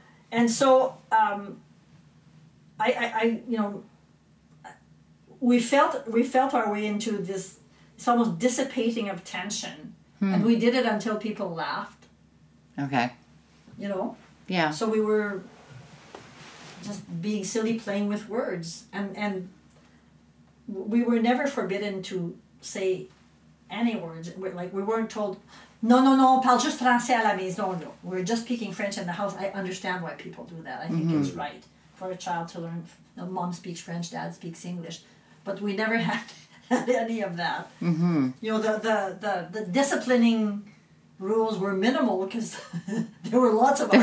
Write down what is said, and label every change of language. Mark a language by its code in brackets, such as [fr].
[en] And so I you know, We felt our way into this almost dissipating of tension. Hmm. And we did it until people laughed. Okay. You know? Yeah. So we were just being silly, playing with words. And we were never forbidden to say any words. Like, we weren't told, no, no, no, [fr] parle juste français à la maison. [en] No, we're just speaking French in the house. I understand why people do that. I think mm-hmm. it's right for a child to learn, you know, mom speaks French, dad speaks English. But we never had any of that. Mm-hmm. You know, the disciplining rules were minimal because there were lots of